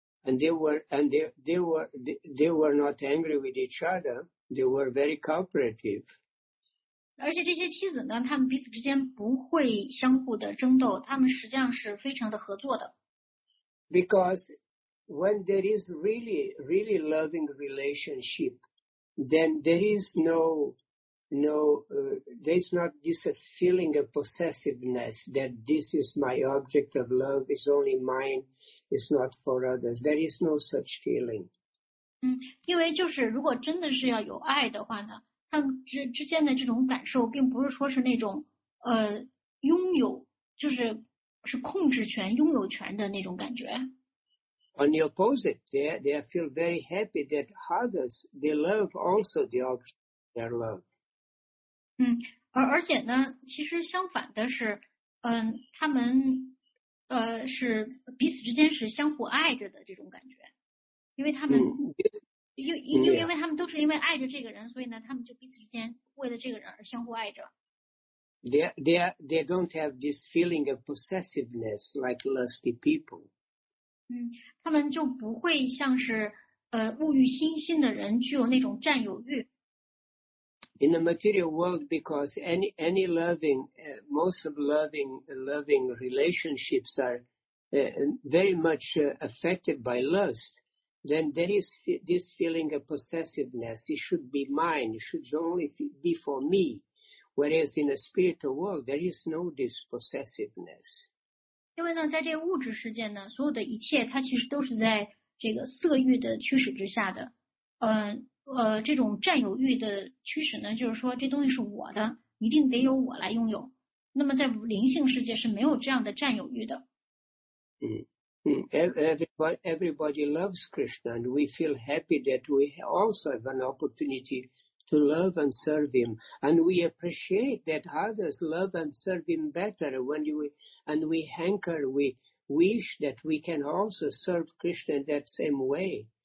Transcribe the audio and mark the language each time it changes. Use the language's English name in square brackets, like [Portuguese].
[English] And they were not angry with each other. They were very cooperative. [Chinese] 而且这些妻子呢，他们彼此之间不会相互的争斗，他们实际上是非常的合作的。 [English] Because when there is really, really loving relationship, then there is there's not this feeling of possessiveness that this is my object of love, it's only mine, it's not for others. There is no such feeling. [Chinese] 因为就是如果真的是要有爱的话呢，他们之间的这种感受并不是说是那种拥有，就是是控制权、拥有权的那种感觉。 [English] On the opposite, they feel very happy that others, they love also the object of their love. [Chinese] 而且呢，其实相反的是，他们是彼此之间是相互爱着的这种感觉，因为他们因为他们都是因为爱着这个人，所以呢，他们就彼此之间为了这个人而相互爱着。 [English] They don't have this feeling of possessiveness like lusty people. [Chinese] 他们就不会像是物欲熏心的人具有那种占有欲。 [English] In the material world, because any loving, most of loving relationships are very much affected by lust, then there is this feeling of possessiveness. It should be mine. It should only be for me. Whereas in a spiritual world, there is no dispossessiveness. [Chinese] 因为呢，在这个物质世界呢，所有的一切它其实都是在这个色欲的驱使之下的。这种占有欲的驱使呢，就是说这东西是我的，一定得由我来拥有。那么在灵性世界是没有这样的占有欲的。 [English] Everybody loves Krishna, and we feel happy that we also have an opportunity. To love and serve him, and we appreciate that others love and serve him better. We wish that we can also serve Krishna in that same way.